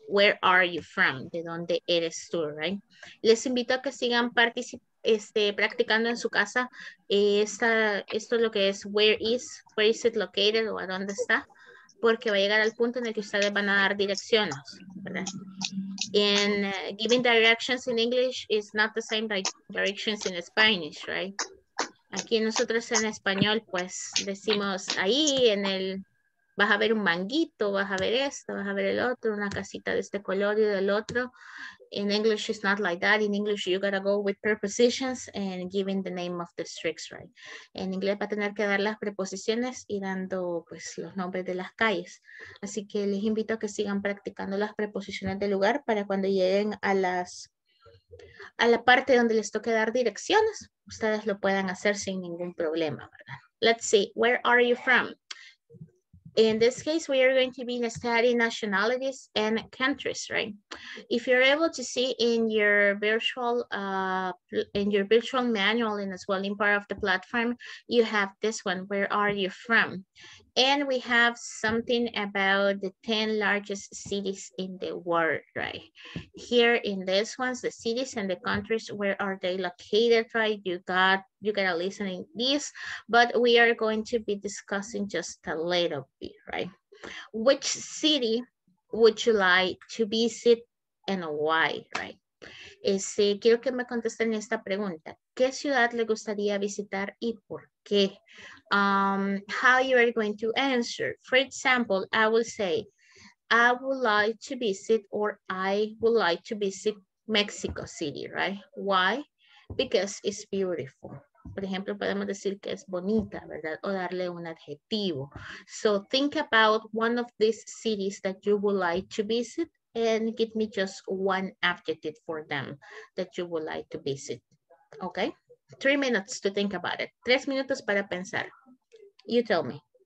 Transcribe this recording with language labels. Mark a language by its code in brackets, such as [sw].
[en] Where are you from? [es] ¿De dónde eres tú, right? Les invito a que sigan practicando en su casa. Esto es lo que es [en] where is it located, [es] o a dónde está, porque va a llegar al punto en el que ustedes van a dar direcciones, ¿verdad? [en] And giving directions in English is not the same like directions in Spanish, right? [es] Aquí nosotros en español, pues, decimos ahí en el, vas a ver un manguito, vas a ver esto, vas a ver el otro, una casita de este color y del otro. [en] In English, it's not like that. In English, you gotta go with prepositions and giving the name of the streets, right? [es] En inglés va a tener que dar las preposiciones y dando, pues, los nombres de las calles. Así que les invito a que sigan practicando las preposiciones de lugar para cuando lleguen a la parte donde les toque dar direcciones, ustedes lo puedan hacer sin ningún problema, ¿verdad? [en] Let's see, where are you from? In this case, we are going to be studying nationalities and countries, right? If you're able to see in your virtual manual and as well in part of the platform, you have this one, where are you from? And we have something about the 10 largest cities in the world, right? Here in this one, the cities and the countries, where are they located, right? You got to listen in this, but we are going to be discussing just a little bit, right? Which city would you like to visit and why, right? [es] Quiero que me contesten esta pregunta. ¿Qué ciudad le gustaría visitar y por qué? [en] How you are going to answer? For example, I will say, I would like to visit, or I would like to visit Mexico City, right? Why? Because it's beautiful. [es] Por ejemplo, podemos decir que es bonita, ¿verdad? O darle un adjetivo. [en] So think about one of these cities that you would like to visit and give me just one adjective for them that you would like to visit. Okay? 3 minutes to think about it. [es] 3 minutos para pensar. [en] You tell me.